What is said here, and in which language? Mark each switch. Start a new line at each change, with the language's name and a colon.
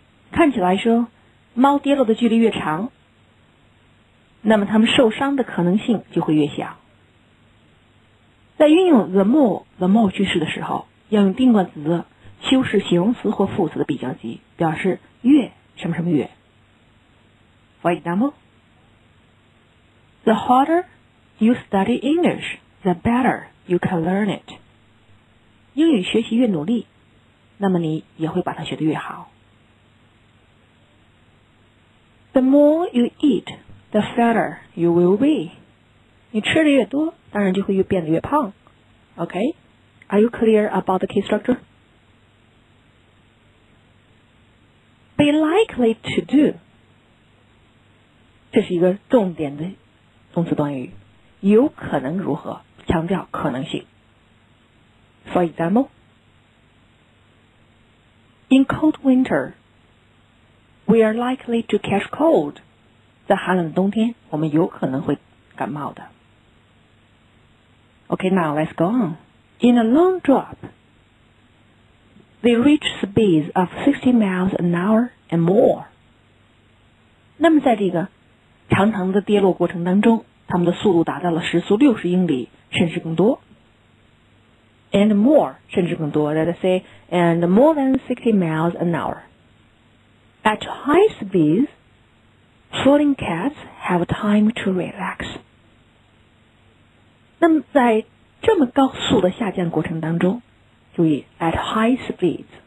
Chinese: 看起来说猫跌落的距离越长，那么它们受伤的可能性就会越小。在运用
English: the more
Chinese: 句式的时候，要用定冠词修饰形容词或副词的比较级，表示越什么什么越。
English: For example, the harder you study English, the betterYou can learn it.
Chinese: 英语学习越努力，那么你也会把它学得越好。
English: The more you eat, the fatter you will be.
Chinese: 你吃的越多，当然就会越变得越胖。
English: Okay? Are you clear about the key structure? Be likely to do.
Chinese: 这是一个重点的动词短语。有可能如何？强调可能性。
English: For example, in cold winter, we are likely to catch cold.
Chinese: 在寒冷的冬天，我们有可能会感冒的。
English: Okay, now let's go on. In a long drop, they reach speeds of 60 miles an hour and more.
Chinese: 那么在这个长长的跌落过程当中，他们的速度达到了时速60英里。甚至更多
English: and more 甚至更多 let us say and more than 60 miles an hour at high speeds falling cats have time to relax
Chinese: 那么在这么高速的下降过程当中注意
English: at high speeds